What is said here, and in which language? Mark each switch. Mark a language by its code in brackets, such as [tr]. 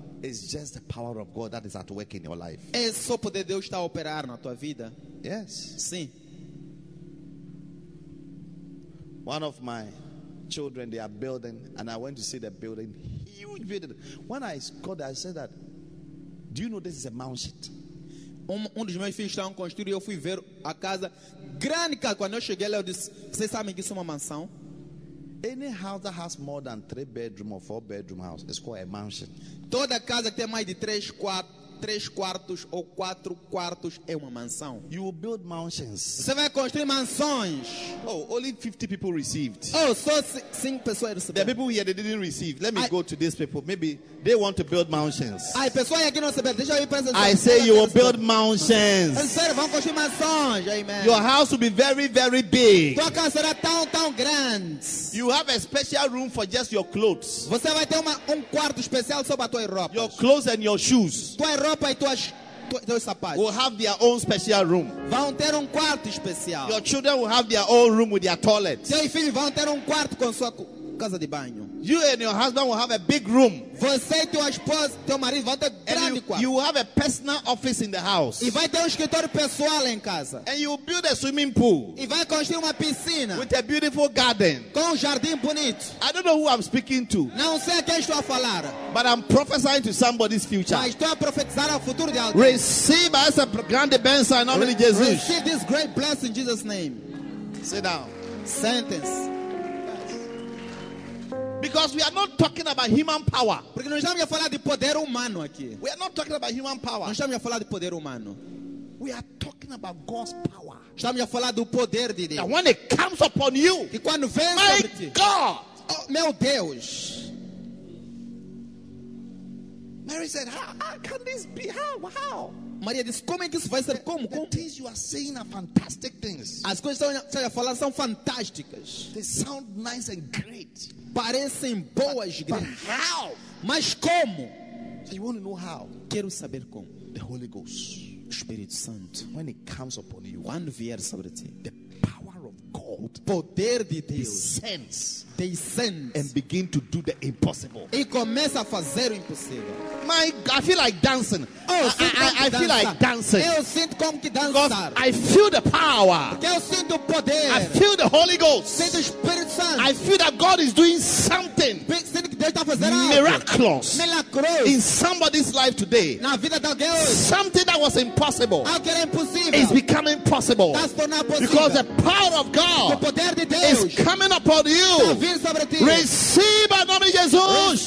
[en] It's just the power of God that is at work in your life. [pt] É só o poder de Deus está a operar na tua vida. [en] Yes. [pt] Sim. [en] One of my children, they are building, and I went to see the building, huge building. When I called, I said that, do you know this is a mansion? [pt] Um dos meus filhos estavam construindo, eu fui ver a casa grande. Quando eu cheguei, eu disse, vocês sabem que isso é uma mansão? [en] Any house that has more than 3-bedroom or 4-bedroom house is called a mansion. [pt] Toda casa que tem mais de 3 quartos ou 4 quartos é uma mansão. [en] You will build mansions. [pt] Você vai construir mansões. [en] Oh, only 50 people received. [pt] Oh, só 5 pessoas receberam. [en] The people here, they didn't receive. Let me go to these people. Maybe they want to build mountains. [pt] Ai, pessoal, aqui não sabe. Deixa eu ir para. [en] I say you will build mountains. [pt] É sério, vão construir mansões. [en] Amen. Your house will be very, very big. [pt] Tua casa será tão, tão grande. [en] You have a special room for just your clothes. [pt] Você vai ter um quarto especial só para tua roupa. [en] Your clothes and your shoes. [pt] Tua roupa e tuas sapatos. [en] Will have their own special room. [pt] Vão ter um quarto especial. [en] Your children will have their own room with their toilet. [pt] Seus filhos vão ter um quarto com sua casa de banho. [en] You and your husband will have a big room. [pt] Você e tua esposa, teu marido vão ter grande quarto. [en] You will have a personal office in the house. [pt] E vai ter escritório pessoal em casa. [en] And you will build a swimming pool. [pt] E vai construir uma piscina. [en] With a beautiful garden. [pt] Com jardim bonito. [en] I don't know who I'm speaking to. [pt] Não sei a quem estou a falar. [en] But I'm prophesying to somebody's future. [pt] Mas estou a profetizar ao futuro de alguém. [en] Receive [pt] essa grande bênção em nome de Jesus. [en] Receive this great blessing in Jesus' name. Sit down. Sentence. Because we are not talking about human power. [pt] Porque nós estamos a falar de poder humano aqui. [en] We are not talking about human power. [pt] Nós estamos a falar de poder humano. [en] We are talking about God's power. [pt] Estamos a falar do poder de Deus. [en] And when it comes upon you, [pt] e quando vem [en] my [pt] sobre ti, [en] God, [pt] oh, meu Deus. [en] Mary said, how can this be? How? [pt] Maria disse, como é que isso vai ser? Como? [en] Things you are saying are fantastic things. [pt] As coisas que você está a falar são fantásticas. [en] They sound nice and great. [pt] Parecem boas, [en] but how? [pt] Mas como? [en] So you want to know how? [pt] Quero saber como. [en] The Holy Ghost, [pt] Espírito Santo, [en] when it comes upon you, [pt] quando vier sobre ti, [en] the power of God, [pt] poder de Deus, [en] descends, and begin to do the impossible. [pt] E começa a fazer o impossível. [en] My, I feel like dancing. Oh, I feel like dancing. [pt] Eu sinto como que dançar. [en] I feel the power. [pt] Porque eu sinto o poder. [en] I feel the Holy Ghost. [pt] Sinto o Espírito Santo. [en] I feel that God is doing something. [pt] Sinto que Deus está fazendo [en] miraculous [pt] algo. [en] Miraculous. In somebody's life today. [pt] Na vida de alguém hoje. [en] Something that was impossible. [pt] Algo que era impossível. [en] Is becoming possible. [pt] Está se tornando possível. [en] Because the power of God. [pt] O poder de Deus. [en] Is coming upon you. [pt] Está vindo sobre ti. [en] Receive [pt] em nome de Jesus.